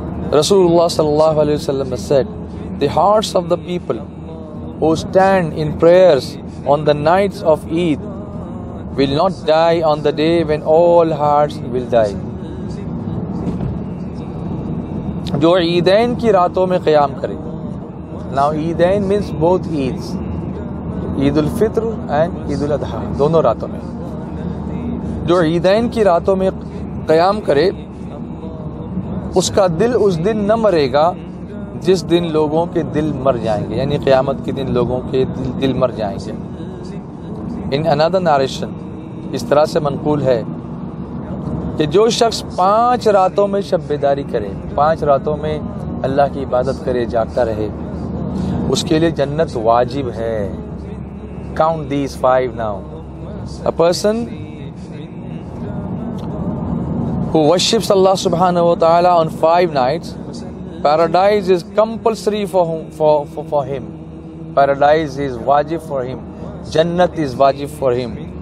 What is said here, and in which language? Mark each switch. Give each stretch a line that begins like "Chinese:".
English: Rasulullah sallallahu alayhi wa sallam has said, the hearts of the people who stand in prayers on the nights of Eid will not die on the day when all hearts will die.
Urdu: Jo Eidain ki raaton mein qiyam kare.
English: Now Eidain means both Eids.
Urdu: Eid al-Fitr and عید الاضحیٰ, دونوں راتوں میں, جو عیدین کی راتوں میں قیام کرے اس کا دل اس دن نہ مرے گا جس دن لوگوں کے دل مر جائیں گے, یعنی قیامت کے دن لوگوں کے دل مر جائیں گے.
English: in another narration
Urdu: اس طرح سے منقول ہے کہ جو شخص پانچ راتوں میں شب بیداری کرے, پانچ راتوں میں اللہ کی عبادت کرے, جاگتا رہے, اس کے لیے جنت واجب ہے.
English: Count these five now. A person who worships Allah subhanahu wa ta'ala on five nights, paradise is compulsory for him. Paradise is wajib for him. Jannat is wajib for him.